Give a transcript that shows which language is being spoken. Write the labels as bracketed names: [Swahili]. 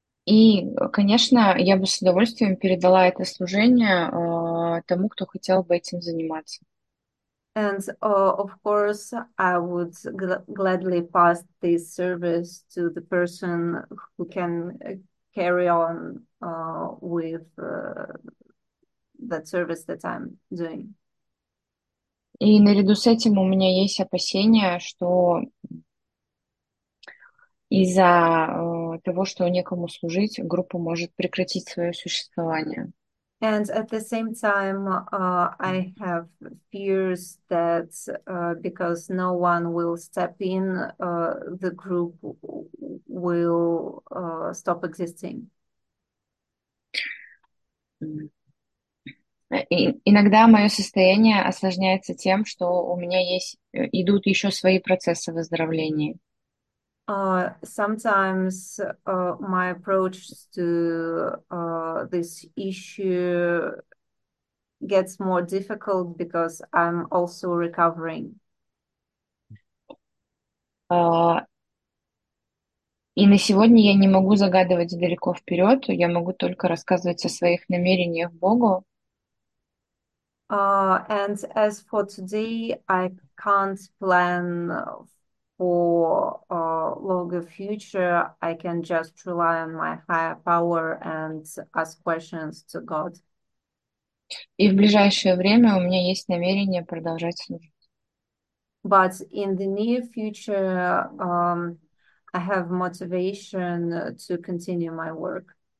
[Russian] И, конечно, я бы с удовольствием передала это служение, тому, кто хотел бы этим заниматься. [English] And of course, I would gladly pass this service to the person who can carry on with that service that I'm doing. [Russian] И наряду с этим у меня есть опасения, что из-за того, что некому служить, группа может прекратить свое существование. [English] And at the same time, I have fears that because no one will step in, the group will stop existing. [Russian] Иногда мое состояние осложняется тем, что у меня есть идут еще свои процессы выздоровления. [English] Sometimes my approach to this issue gets more difficult because I'm also recovering. [Russian] И на сегодня я не могу загадывать далеко вперед, я могу только рассказывать о своих намерениях Богу. [English] And as for today, I can't plan for a longer future, I can just rely on my higher power and ask questions to God. [Russian] И в ближайшее время у меня есть намерение продолжать служить. [English] But in the near future, I have motivation to continue my work.